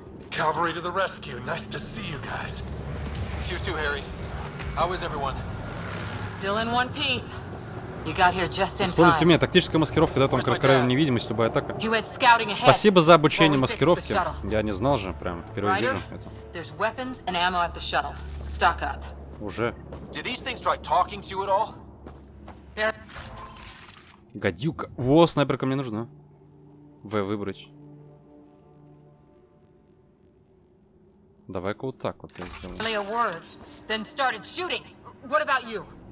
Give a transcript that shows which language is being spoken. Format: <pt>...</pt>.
<en>Cavalry to the rescue. Nice to see you guys. You too, Harry. How is everyone? Still in one piece. You got here just in time.</en> <ru>Используйте меня. Тактическая маскировка дает вам краткая невидимость, любая атака.</ru> <en>You went scouting ahead.</en> <ru>Спасибо за обучение маскировки. Я не знал же, прям впервые вижу это.</ru> <en>There's weapons and ammo at the shuttle. Stock up.</en> <ru>Уже.</ru> <en>Do these things try talking to you at all?</en> <ru>Гадюка. Во, снайперка мне нужна. В выбрать. Давай-ка вот так вот сделаем.</ru> <en>A word, then started shooting. What about you?</en>